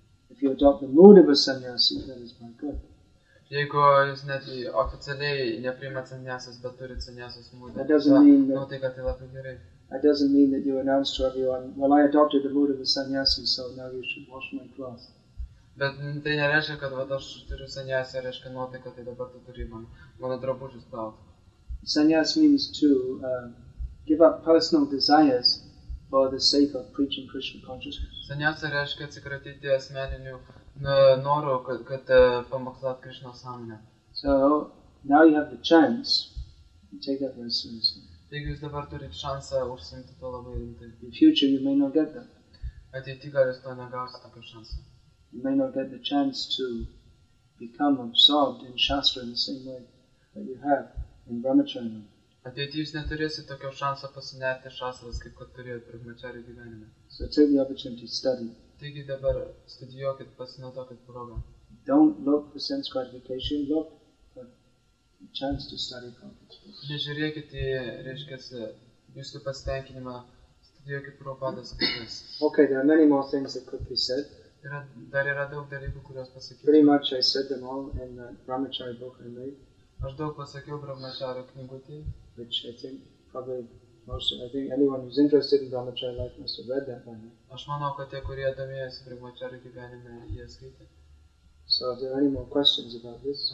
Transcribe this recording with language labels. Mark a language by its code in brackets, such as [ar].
[en] If you adopt the mood of a sannyasi, that is my good. [lt] Jeigu jūs net oficialiai nepriimat sannyasis, bet turit sannyasis mūdą, nu tai, kad tai labai gerai. [en] That doesn't mean that you announce to everyone, well, I adopted the mood of the sannyasi, so now you should wash my clothes. [lt] Bet tai nereiškia, kad vat, aš turiu sannyasį, reiškia nuotaiką, tai dabar tu turi mano drabužius plauti. [en] Sannyas means to give up personal desires for the sake of preaching Krishna consciousness. [lt] Sannyas reiškia atsikratyti asmeninių noriu, kad pamokslat Krishna sąmonę. [en] So now you have the chance to take that very seriously. [lt] Taigi jūs dabar turite šansą užsiimti to labai rimtai. [en] In future you may not get that. [lt] Ateity gal jūs to negausite tokią šansą. [en] You may not get the chance to become absorbed in Shastra in the same way that you have in Brahmacharya. [lt] Ateity jūs neturėsite tokio šanso pasinerti šastras, kaip kad turėjote Brahmacharya gyvenime. [en] So take the opportunity to study. [lt] Taigi dabar studijuokit, pasinaudokit progą. [en] Don't look for sense gratification, look chance to study properly. [lt] Nežiūrėkite, reiškiasi, jūsų pasitenkinimą studijuokit Prabhupada's knygas. [en] Okay, there are many more things that could be said. [lt] Dar yra daug dalykų, kuriuos pasakyti. [en] Pretty much I said them all in the Brahmacharya book I made. [lt] Aš daug pasakiau Brahmacharya knygutėje. [en] Which I think probably most, I think anyone who's interested in Brahmacharya life must have read that by now. [lt] Aš manau, kad tie, kurie domėjosi Brahmacharya gyvenime, jie skaitė. [en] So, are there any more questions about this?